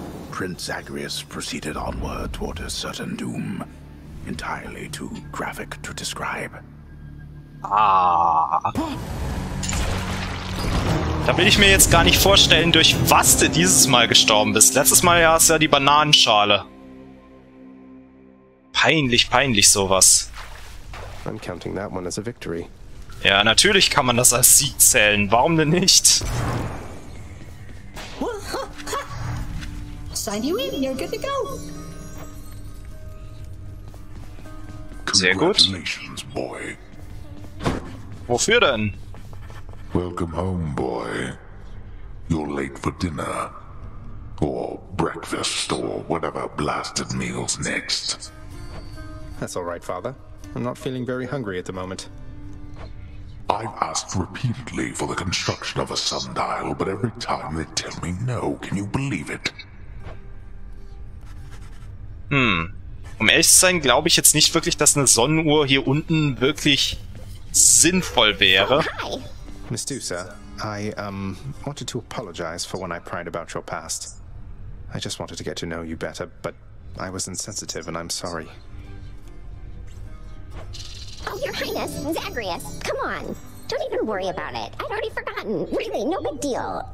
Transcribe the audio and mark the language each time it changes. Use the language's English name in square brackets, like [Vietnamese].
[English] Prinz Zagreus proceeded onward toward a certain doom, entirely too graphic to describe. Ah. [German] Da will ich mir jetzt gar nicht vorstellen, durch was du dieses Mal gestorben bist. Letztes Mal hast du ja die Bananenschale. Peinlich, peinlich sowas. I'm counting that one as a victory. Ja, natürlich kann man das als Sieg zählen. Warum denn nicht? Sehr gut. [English] Boy. [German] Wofür denn? [English] Welcome home, boy. You're late for dinner. Or breakfast, or whatever blasted meal's next. That's all right, Father. I'm not feeling very hungry at the moment. I've asked repeatedly for the construction of a sundial, but every time they tell me no, can you believe it? Hm. [German] Um ehrlich zu sein, glaube ich jetzt nicht wirklich, dass eine Sonnenuhr hier unten wirklich sinnvoll wäre. [English] Miss Dusa, I, wanted to apologize for when I pried about your past. I just wanted to get to know you better, but I was insensitive and I'm sorry. Oh, Your Highness, Zagreus, come on. Don't even worry about it. I'd already forgotten. Really, no big deal.